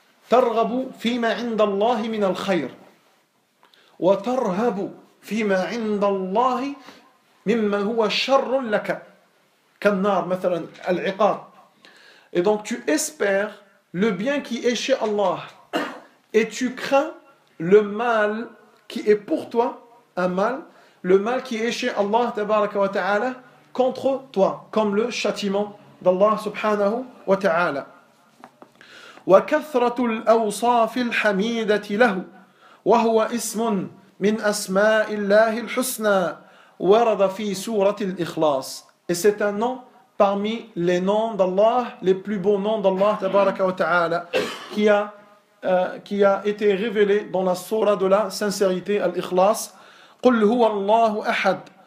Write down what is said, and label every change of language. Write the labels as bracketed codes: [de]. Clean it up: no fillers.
[ar] ترغب فيما عند الله من الخير وترهب فيما عند الله مما هو شر لك كالنار مثلا العقاب. [fr] Et donc tu espères le bien qui est chez Allah et tu crains le mal qui est pour toi, le mal qui est chez Allah tabaraka wa ta'ala contre toi, comme le châtiment d'Allah subhanahu wa ta'ala. [ar] وكثرة الأوصاف الحميدة له وهو اسم من أسماء الله الحسنى ورد في سورة الإخلاص. [fr] Et c'est un nom parmi les noms d'Allah, les plus beaux noms d'Allah tabaraka wa ta'ala, qui a été révélé dans la sourate de la sincérité, al-ikhlas. [ar] قل هو الله أحد